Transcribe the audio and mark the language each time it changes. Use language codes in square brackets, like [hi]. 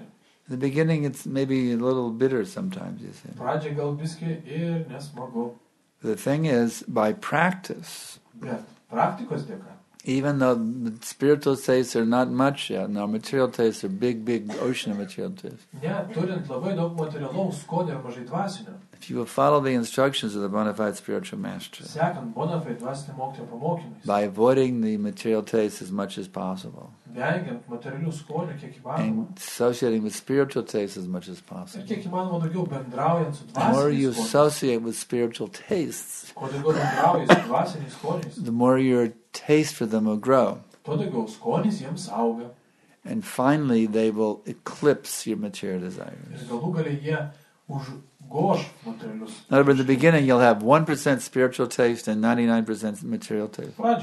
[en] In the beginning, it's maybe a little bitter sometimes, you see. [lt] Pradžia gal biskį ir nesmagu. [en] The thing is, by practice, [lt] bet praktikos dėka, [en] even though the spiritual tastes are not much yet, and our material tastes are big, big ocean of material tastes. [lt] Neturint labai daug materialaus skonio ir mažai dvasinio. [en] If you will follow the instructions of the bona fide spiritual master, [lt] sekant bona fide dvasinio mokytojo pamokymais, [en] by avoiding the material tastes as much as possible, [lt] vengiant materialių skonių kiek įmanoma, [en] and associating with spiritual tastes as much as possible, [lt] ir kiek įmanoma daugiau bendraujant su dvasiniais [en] skoniais, the more you associate with spiritual tastes, [lt] kuo daugiau bendrauji su dvasiniais skoniais, [en] the more your taste for them will grow, [lt] tuo daugiau skonis jiems auga, [en] and finally they will eclipse your material desires. [lt] Ir galų gale jie už [en] in other words, in the beginning you'll have 1% spiritual taste and 99% material taste.